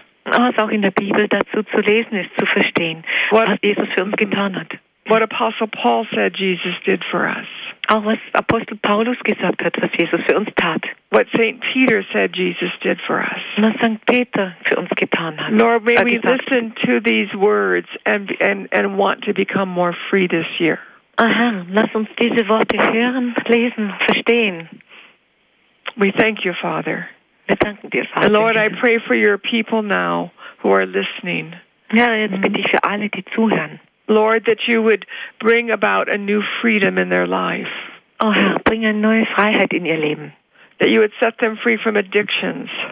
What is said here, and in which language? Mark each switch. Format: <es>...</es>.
<de>Was auch in der Bibel dazu zu lesen ist, zu verstehen, was Jesus für uns getan hat.</de> <en>What Apostle Paul said Jesus did for us.</en> <de>Auch was Apostel Paulus gesagt hat, was Jesus für uns tat.</de> <en>What St. Peter said Jesus did for us.</en> <de>Was St. Peter für uns getan hat.</de> <en>Lord, may we listen to these words and want to become more free this year.</en> <de>Aha, lass uns diese Worte hören, lesen, verstehen.</de> <en>We thank you, Father.</en> <de>Wir danken dir, Vater.</de> <en>And Lord, I pray for your people now who are listening.</en> <de>Ja, jetzt bitte ich für alle, die zuhören.</de> <en>Lord, that you would bring about a new freedom in their life.</en> <de>Oh Herr, bring eine neue Freiheit in ihr Leben.</de> <en>That you would set them free from addictions.</en>